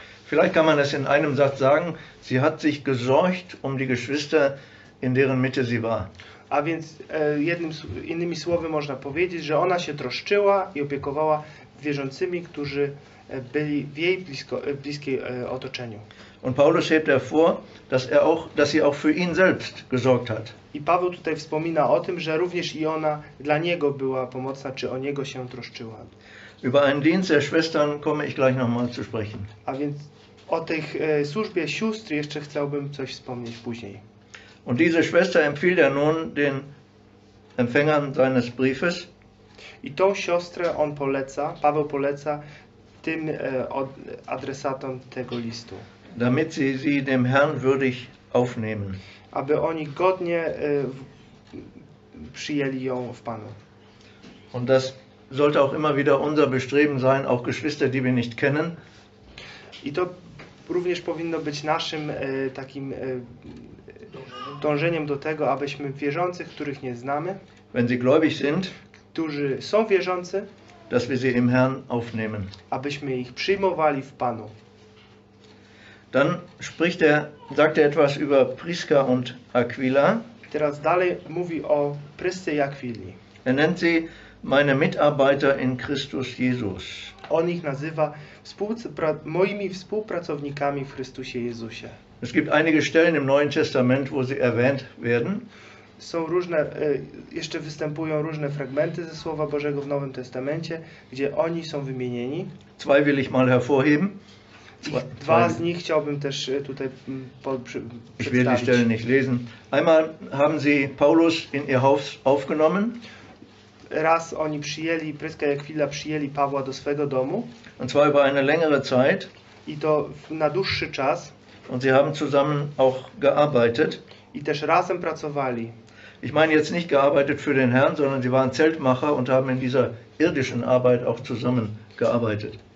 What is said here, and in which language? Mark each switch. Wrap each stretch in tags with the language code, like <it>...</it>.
<de>Vielleicht kann man es in einem Satz sagen: Sie hat sich gesorgt um die Geschwister, in deren Mitte sie war.</de> <pl>A więc innymi słowy można powiedzieć, że ona się troszczyła i opiekowała wierzącymi, którzy byli w jej bliskiej otoczeniu.</pl> <de>Und Paulus hebt hervor, dass sie auch für ihn selbst gesorgt hat.</de> <pl>I Paweł tutaj wspomina o tym, że również i ona dla niego była pomocna, czy o niego się troszczyła.</pl> <de>Über einen Dienst der Schwestern komme ich gleich nochmal zu sprechen.</de> <pl>A więc O tej służbie sióstr jeszcze chciałbym coś wspomnieć później.</pl> <de>Und diese Schwester empfiehlt nun den Empfängern seines Briefes.</de> <pl>I tą siostrę on poleca, Paweł poleca tym adresatom tego listu.</pl> <de>Damit sie sie dem Herrn würdig aufnehmen.</de> <pl>Aby oni godnie przyjęli ją w Panu.</pl> <de>Und das sollte auch immer wieder unser Bestreben sein, auch Geschwister, die wir nicht kennen.</de> <pl>I to również powinno być naszym takim dążeniem do tego, abyśmy wierzących, których nie znamy,</pl> <de>wenn sie gläubig sind,</de> <pl>którzy są wierzący,</pl> <de>dass wir sie im Herrn aufnehmen.</de> <pl>Abyśmy ich przyjmowali w Panu.</pl> <de>Dann spricht er, sagt er etwas über Priska und Aquila.</de> <pl>Teraz dalej mówi o Prysce i Aquili.</pl> <de>Er nennt sie meine Mitarbeiter in Christus Jesus.</de> <pl>On ich nazywa moimi współpracownikami w Chrystusie Jezusie.</pl> <de>Es gibt einige Stellen im Neuen Testament, wo sie erwähnt werden.</de> <pl>Są różne, jeszcze występują różne fragmenty ze Słowa Bożego w Nowym Testamencie, gdzie oni są wymienieni.</pl> <de>Zwei will ich mal hervorheben.</de> <pl>Dwa z nich chciałbym też tutaj przedstawić.</pl> <de>Ich will die Stellen nicht lesen. Einmal haben sie Paulus in ihr Haus aufgenommen.</de> <pl>Raz oni przyjęli, Pryska i Aquila przyjęli Pawła do swego domu.</pl> <de>Und zwar über eine längere Zeit.</de> <pl>I to na dłuższy czas.</pl> <de>Und sie haben zusammen auch gearbeitet.</de> <pl>I też razem pracowali.</pl> <de>Ich meine jetzt nicht gearbeitet für den Herrn, sondern sie waren Zeltmacher und haben in dieser irdischen Arbeit auch zusammen gearbeitet.</de>